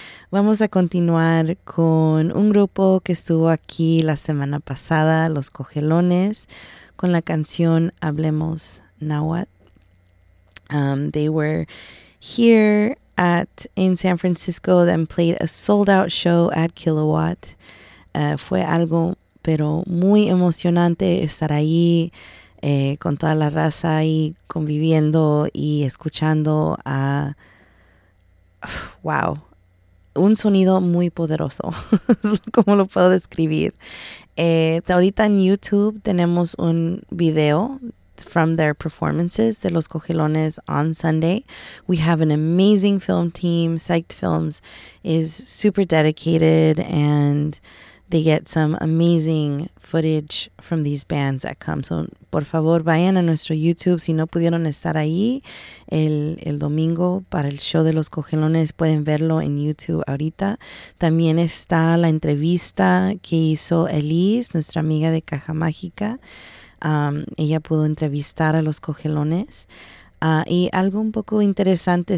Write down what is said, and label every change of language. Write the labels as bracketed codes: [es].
[es] Vamos a continuar con un grupo que estuvo aquí la semana pasada, Los Cogelones, con la canción Hablemos Nahuatl. [en] They were here in San Francisco, then played a sold-out show at Kilowatt. [es] Fue algo pero muy emocionante estar ahí con toda la raza ahí conviviendo y escuchando a wow, un sonido muy poderoso. ¿Cómo lo puedo describir? Ahorita en YouTube tenemos un video [en] from their performances [es] de Los Cogelones [en] on Sunday. We have an amazing film team. Psyched Films is super dedicated, and they get some amazing footage from these bands that come. [es] So, por favor, vayan a nuestro YouTube. Si no pudieron estar ahí el domingo para el show de Los Cogelones, pueden verlo en YouTube ahorita. También está la entrevista que hizo Elise, nuestra amiga de Caja Mágica. Ella pudo entrevistar a Los Cogelones. Y algo un poco interesante.